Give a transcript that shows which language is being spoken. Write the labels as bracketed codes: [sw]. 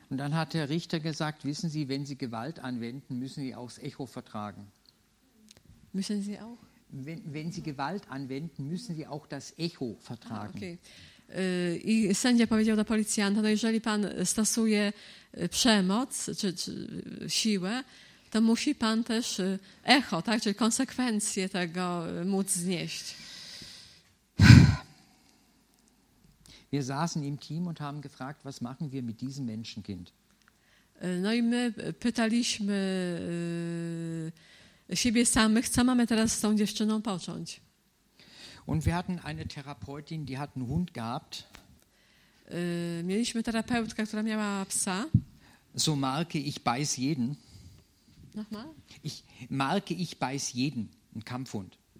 [de] Und dann hat der Richter gesagt, wissen Sie, wenn Sie Gewalt anwenden, müssen Sie auch das Echo vertragen. Müssen Sie auch? Wenn Sie Gewalt anwenden, müssen Sie auch das Echo vertragen. Okay. [pl] I sędzia powiedział do policjanta, no jeżeli pan stosuje przemoc czy siłę, to musi pan też echo, tak, czyli konsekwencje tego móc znieść. [de] Wir saßen im Team und haben gefragt, was machen wir mit diesem Menschenkind? [pl] No i my pytaliśmy siebie samych, co mamy teraz z tą dziewczyną począć. [de] Und wir hatten eine Therapeutin, die hat einen Hund gehabt. [pl] Mieliśmy terapeutkę, która miała psa. [de] So Marke, ich beiß jeden. Nochmal? Ich beiß jeden, ein Kampfhund.